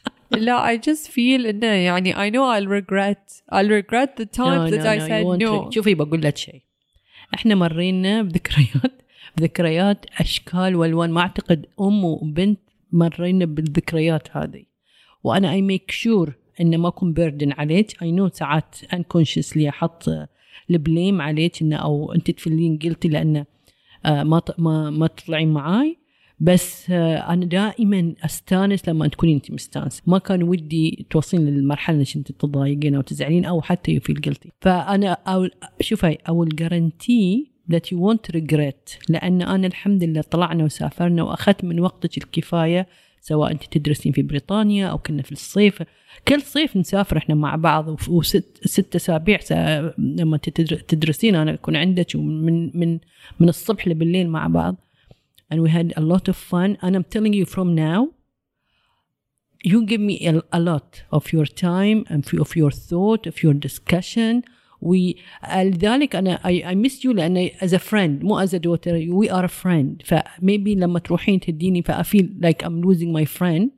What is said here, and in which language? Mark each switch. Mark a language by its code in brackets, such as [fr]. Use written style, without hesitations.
[en] لا I just feel [ar] إنه يعني [en] I know I'll regret the times that I said no [ar] شوفي بقول لك شيء إحنا مرينا بذكريات ذكريات أشكال والوان. ما أعتقد أم وبنت مرينا بالذكريات هذه. وأنا [en] I make sure [ar] إن ما أكون بيردن عليك. [en] I know [ar] ساعات unconsciously أحط البليم عليك إن أو أنت تفلين قلتي لأن ما تطلعين معاي. بس أنا دائما أستانس لما تكوني أنت مستانس. ما كان ودي توصلين للمرحلة إنك أنت تضايقين أو تزعلين أو حتى يفيل قلتي. فأنا أول [en] guarantee that you won't regret. [ar] لأن أنا الحمد لله طلعنا وسافرنا وأخذت من وقتك الكفاية. سواء أنت تدرسين في بريطانيا أو كنا في الصيف. كل صيف نسافر إحنا مع بعض وست أسابيع لما تدرسين أنا أكون عندك من الصبح لبالليل مع بعض. [en] And we had a lot of fun. And I'm telling you from now, you give me a lot of your time and of your thought, of your discussion. لذلك أنا I miss you لأن as a friend, مو as a daughter. We are a friend. فmaybe [ar] لما تروحين تديني [en] فI feel like I'm losing my friend.